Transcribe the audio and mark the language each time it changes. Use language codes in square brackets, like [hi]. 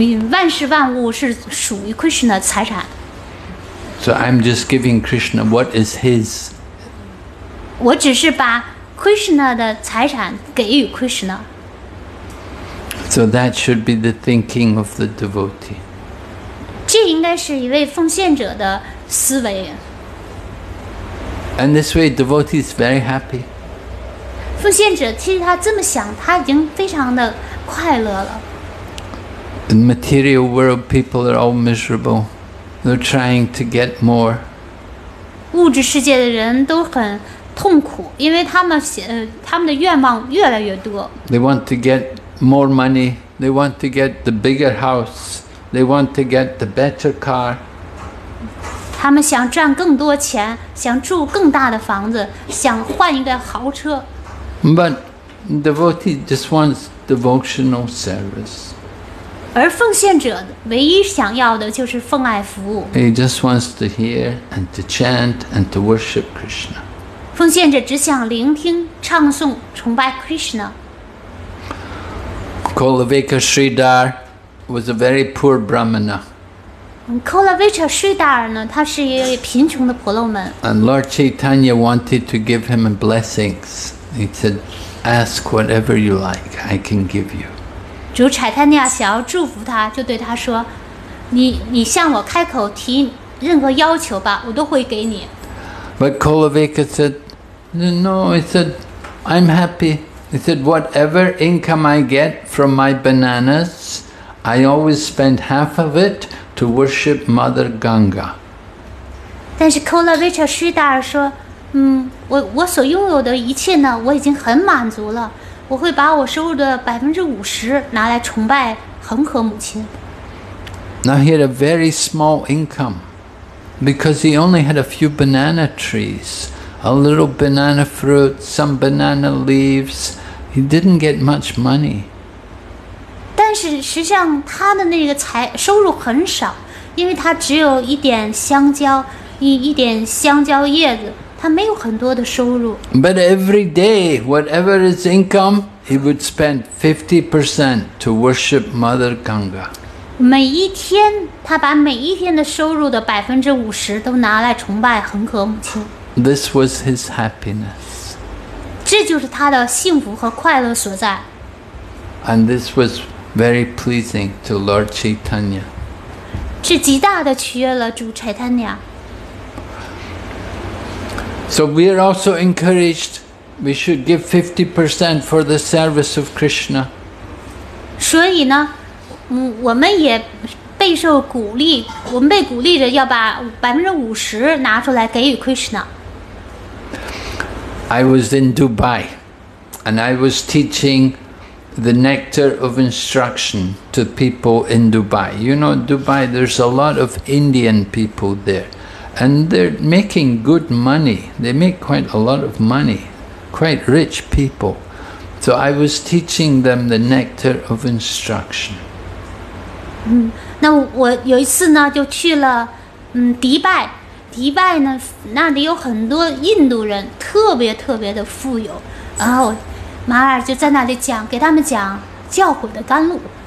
[zh] 万事万物是属于 Krishna 的财产。 [en] So I'm just giving Krishna what is his. [zh] 我只是把 Krishna 的财产给予 Krishna。 [en] So that should be the thinking of the devotee. [zh] 这应该是一位奉献者的思维。 [en] And this way, devotee is very happy. [zh] 奉献者其实他这么想，他已经非常的快乐了。 [en] In the material world, people are all miserable. They're trying to get more. [zh] 物质世界的人都很痛苦，因为他们的愿望越来越多。 [en] They want to get more money. They want to get the bigger house. They want to get the better car. [zh] 他们想赚更多钱，想住更大的房子，想换一个豪车。 [en] But devotee just wants devotional service. [zh] 而奉献者唯一想要的就是奉爱服务。 [en] He just wants to hear and to chant and to worship Krishna. [zh] 奉献者只想聆听、唱诵、崇拜 Krishna. [en] Kolavika Sridhar was a very poor Brahmana. [zh] Kolavika Sridhar 呢，他是一位贫穷的婆罗门。 [en] And Lord Chaitanya wanted to give him blessings. He said, "Ask whatever you like. I can give you." [zh] 主柴坦尼亚想要祝福他，就对他说：“你向我开口提任何要求吧，我都会给你。” [en] But Kolavika said, "No." He said, "I'm happy." He said, "Whatever income I get from my bananas, I always spend half of it to worship Mother Ganga." [zh] 但是 Kolavika Sridhar 说：“我所拥有的一切呢，我已经很满足了。” 我会把我收入的50%拿来崇拜恒河母亲。 [en] Now he had a very small income, because he only had a few banana trees, a little banana fruit, some banana leaves. He didn't get much money. [zh] 但是实际上他的那个收入很少，因为他只有一点香蕉，一点香蕉叶子。他没有很多的收入。 [en] But every day, whatever his income, he would spend 50% to worship Mother Ganga. [zh] 每一天，他把每一天的收入的50%都拿来崇拜恒河母亲。 [en] This was his happiness. [zh] 这就是他的幸福和快乐所在。 [en] And this was very pleasing to Lord Chaitanya. [zh] 这极大的取悦了主柴坦尼亚。 [en] So we are also encouraged, we should give 50% for the service of Krishna. [zh] 所以呢，我们也备受鼓励，我们被鼓励着要把50%拿出来给予 Krishna. [en] I was in Dubai, and I was teaching the nectar of instruction to people in Dubai. You know, Dubai, there's a lot of Indian people there. And they're making good money. They make quite a lot of money. Quite rich people. So I was teaching them the nectar of instruction. [zh] 那我有一次呢，就去了，迪拜。迪拜呢，那里有很多印度人，特别特别的富有。然后，马尔就在那里讲，给他们讲教诲的甘露。